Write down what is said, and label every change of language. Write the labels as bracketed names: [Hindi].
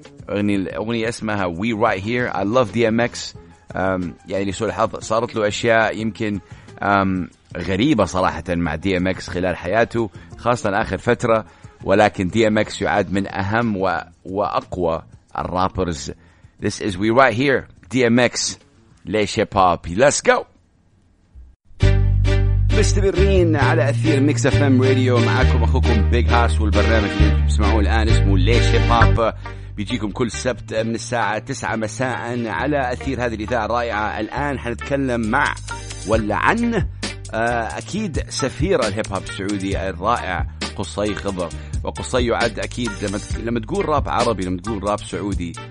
[Arabic] أغنية اسمها [English] We Right Here. I love DMX. [Arabic] يعني لسوء الحظ صارت له أشياء يمكن غريبة صراحة مع DMX خلال حياته، خاصة آخر فترة، ولكن DMX يعد من أهم وأقوى الرابرز. [English] This is We Right Here, DMX, Laish Hip Hop. Let's go! [Arabic] مستمرين على أثير ميكس اف ام راديو، معاكم أخوكم بيج هاس، والبرنامج اللي بسمعوه الآن اسمه Laish Hip Hop، بيجيكم كل سبت من الساعة 9 مساء على أثير هذه الإذاعة الرائعة. الآن حنتكلم مع ولا عن أكيد سفير الهيب هوب السعودي الرائع قصي خضر. وقصي يعد أكيد لما تقول راب عربي، لما تقول راب سعودي،